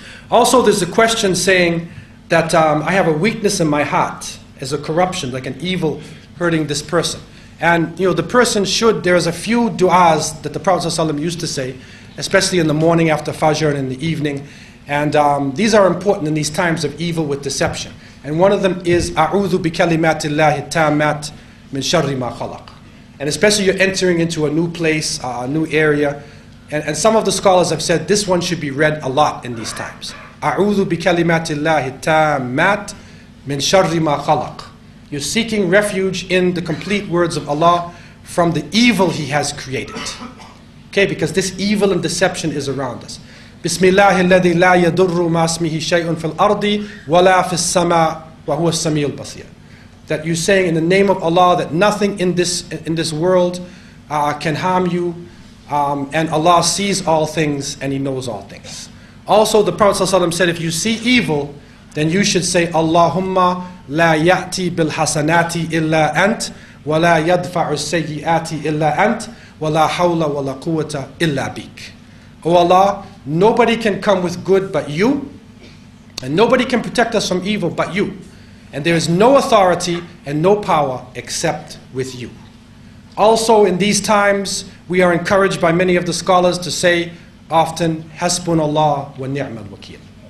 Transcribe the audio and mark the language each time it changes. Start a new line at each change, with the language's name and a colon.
English: Also, there's a question saying that I have a weakness in my heart as a corruption, like an evil hurting this person. And, you know, the person should, there's a few du'as that the Prophet ﷺ used to say, especially in the morning after Fajr and in the evening. And these are important in these times of evil with deception. And one of them is
Arabic: أعوذ بكلمات الله التامات من شر ما خلق.
English: And especially you're entering into a new place, a new area. And some of the scholars have said this one should be read a lot in these times.
Arabic: أعوذ بكلمات الله التامات من شر ما خلق.
English: You're seeking refuge in the complete words of Allah from the evil He has created. Okay, because this evil and deception is around us.
Arabic: بسم الله الذي لا يضر مع اسمه شيء في الأرض ولا في السماء وهو السميع البصير.
English: That you're saying in the name of Allah that nothing in this world can harm you, and Allah sees all things and He knows all things. Also, the Prophet ﷺ said, if you see evil, then you should say,
Arabic: اللهم لا يأتي بالحسنات إلا أنت ولا يدفع السيئات إلا أنت ولا حول ولا قوة إلا بك.
English: O Allah, nobody can come with good but You, and nobody can protect us from evil but You. And there is no authority and no power except with You. Also, in these times, we are encouraged by many of the scholars to say often, Hasbunallah wa ni'mal wakeel.